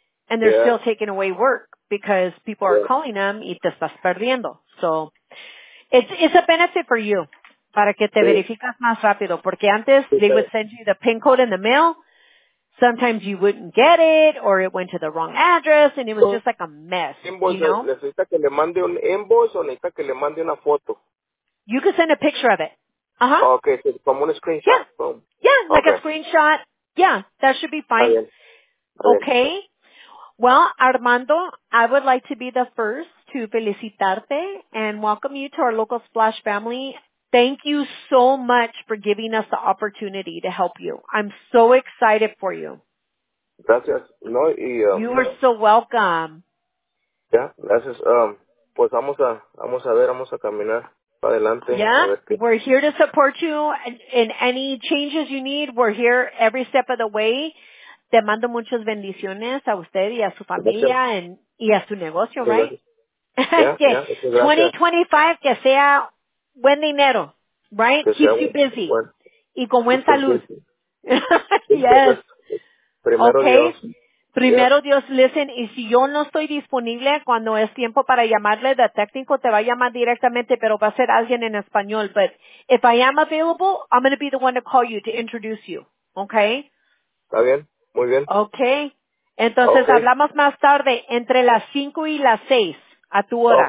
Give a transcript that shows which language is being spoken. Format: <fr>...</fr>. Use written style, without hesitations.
<en>And they're still taking away work because people are calling them</en> <es>y te estás perdiendo.</es> <en>So it's a benefit for you</en> <es>para que te verificas más rápido. Porque antes</es> <en>they would send you the PIN code in the mail. Sometimes you wouldn't get it or it went to the wrong address and it was just like a mess, invoice, you know?</en> <es>¿Necesita que le mande un invoice o necesita que le mande una foto?</es> <en>You could send a picture of it. Uh-huh. Okay, so</en> <es>como un screenshot.</es> <en>Yeah, boom. Yeah, okay. Like a screenshot. Yeah, that should be fine. Okay. Well, Armando, I would like to be the first to felicitarte and welcome you to our local Splash family. Thank you so much for giving us the opportunity to help you. I'm so excited for you.</en> <es>Gracias. No, y,</es> <en>you are so welcome.</en> <es>Yeah, gracias. Pues vamos a caminar. Adelante.</es> <en>Yeah, we're here to support you in any changes you need. We're here every step of the way.</en> <es>Te mando muchas bendiciones a usted y a su familia y a su negocio, gracias.</es> <en>Right? Yeah,</en> <es>2025, que sea buen dinero, right? Que</es> <en>keeps you busy.</en> <es>Buen. Y con buen salud. Yes. Primero</es> <en>okay.</en> <es>Dios. Primero, Dios, listen, y si yo no estoy disponible cuando es tiempo para llamarle, el técnico te va a llamar directamente, pero va a ser alguien en español.</es> <en>But if I am available, I'm going to be the one to call you, to introduce you, okay?</en> <es>Está bien, muy bien. Okay, entonces</es> <en>okay.</en> <es>Hablamos más tarde, entre las 5 y las 6, a tu hora.</es>